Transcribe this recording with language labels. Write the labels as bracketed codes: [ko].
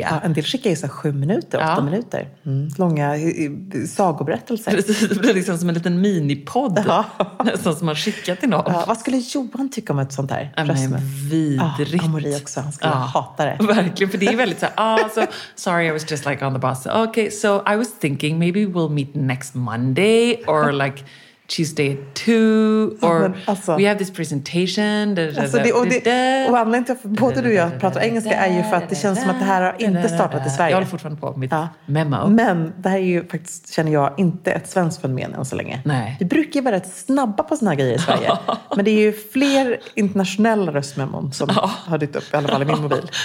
[sv] Ja, en del skickar ju så 7 minuter, 8 minuter. Mm. Långa sagoberättelser. Det blir liksom som en liten minipodd som man skickat till någon. Ja, vad skulle Johan tycka om ett sånt här? Nej, men vidrigt. Amori också, han skulle hata det. Verkligen, för det är väldigt så här, [en] so, sorry, I was just like on the bus. Okay, so I was thinking maybe we'll meet next Monday or like... Tuesday 2, or [sv] men, alltså, [en] we have this presentation. [sv] Och anledningen till att både du och jag pratar engelska är ju för att det känns som att det här har inte startat i Sverige. Jag håller fortfarande på mitt memo. Men det här är ju faktiskt, känner jag, inte ett svenskt fenomen än så länge. Nej. Vi brukar ju vara rätt snabba på såna här grejer i Sverige. Men det är ju fler internationella röstmemon som har dykt upp, i alla fall i min mobil.